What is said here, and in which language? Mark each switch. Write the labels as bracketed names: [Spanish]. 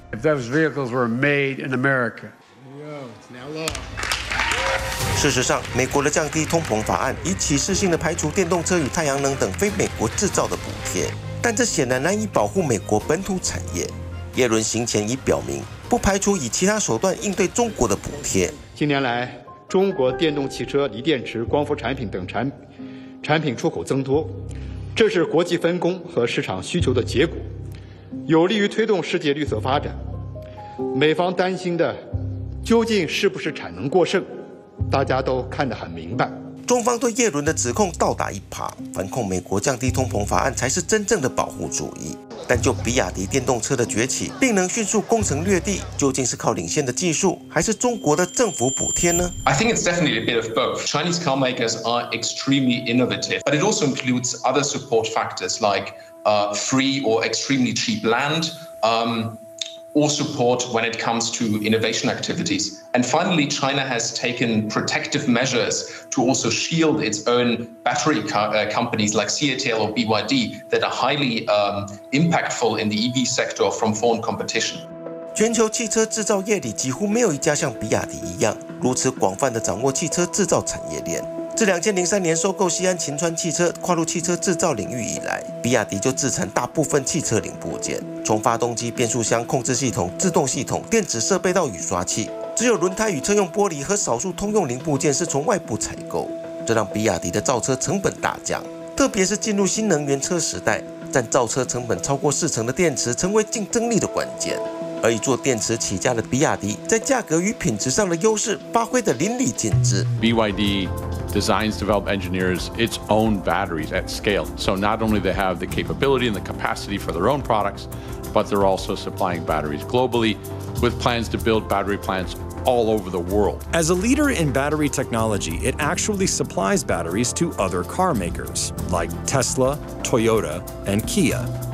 [English] If those vehicles were made in America, now look. [Chinese] 事实上，美国的降低通膨法案已启示性的排除电动车与太阳能等非美国制造的补贴，但这显然难以保护美国本土产业。耶伦行前已表明，不排除以其他手段应对中国的补贴。近年来。中国电动汽车、锂电池、光伏产品等产品出口增多，这是国际分工和市场需求的结果，有利于推动世界绿色发展。美方担心的究竟是不是产能过剩，大家都看得很明白。中方对耶伦的指控倒打一耙，反控美国降低通膨法案才是真正的保护主义。但就比亚迪电动车的崛起，并能迅速攻城略地，究竟是靠领先的技术，还是中国的政府补贴呢 [English] ？I think it's definitely a bit of both. Chinese car makers are extremely innovative, but it also includes other support factors like free or extremely cheap land, or support when it comes to innovation activities. And finally, China has taken protective measures to also shield its own battery companies like CATL or BYD that are highly impactful in the EV sector from foreign competition. [Chinese] 全球汽车制造业里几乎没有一家像比亚迪一样如此广泛的掌握汽车制造产业链。自2003年收购西安秦川汽车，跨入汽车制造领域以来，比亚迪就自产大部分汽车零部件，从发动机、变速箱、控制系统、制动系统、电子设备到雨刷器，只有轮胎与车用玻璃和少数通用零部件是从外部采购。这让比亚迪的造车成本大降，特别是进入新能源车时代，占造车成本超过40%的电池成为竞争力的关键。而以做电池起家的比亚迪，在价格与品质上的优势发挥得淋漓尽致。 [English] BYD designs, develop, engineers its own batteries at scale. So not only they have the capability and the capacity for their own products, but they're also supplying batteries globally, with plans to build battery plants all over the world. As a leader in battery technology, it actually supplies batteries to other car makers like Tesla, Toyota, and Kia.